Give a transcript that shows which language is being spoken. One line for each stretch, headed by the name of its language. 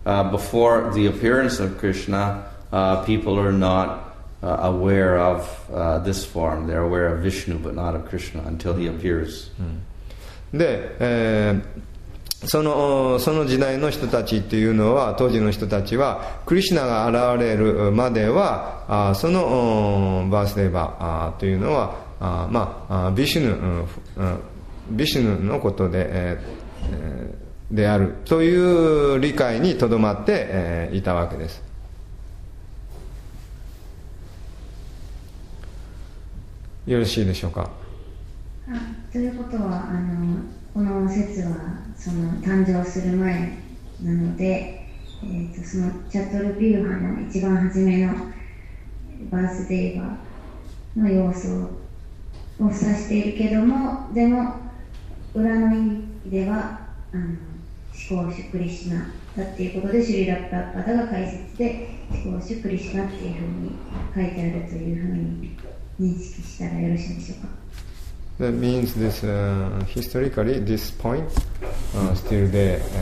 English: Before the appearance of Krishna, people are notaware of this form. They're aware of Vishnu, but not of Krishna until he appears.
Japanese: で、その時代の人たちっていうのは、当時の人たちは、クリシナが現れるまでは、そのバースデーバーというのは、まあ、ビシュヌのことで、であるという理解にとどまって、いたわけです。よろしいでしょうか。あ、ということはこの説はその誕生する前なので、そのチャトルビューハの一番初めのバースデーバーの様子を指しているけども、でも裏の意味では至高主クリシナだっていうことで、シュリラッパダが解説で至高主クリシナっていうふうに書いてあるというふうに
English: That means this historically, this point still there.